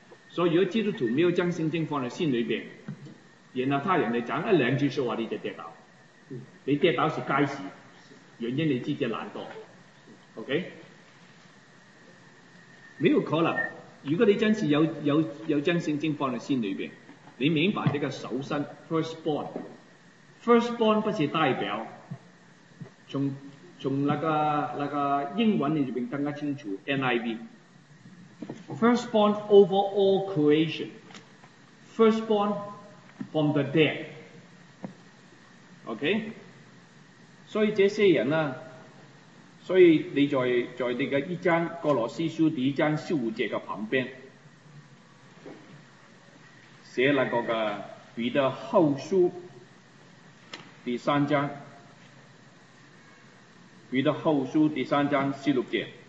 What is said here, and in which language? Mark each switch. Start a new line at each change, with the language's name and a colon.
Chinese: 所以如果基督徒没有将圣经放在心里边，然后他人家讲一两句说话你就跌倒，你跌倒是该死，原因你自己懒惰， OK， 没有可能。如果你真是有将圣经放在心里边，你明白这个首生 firstborn firstborn 不是代表，从那个英文里面更加清楚 ，NIV。
English: Firstborn over all creation, firstborn from the dead.
Chinese: OK， 所以这些人呢、啊，所以你在你嘅一章哥罗西书第一章十五节嘅旁边，写那个嘅彼得后书第三章，彼得后书第三章十六节。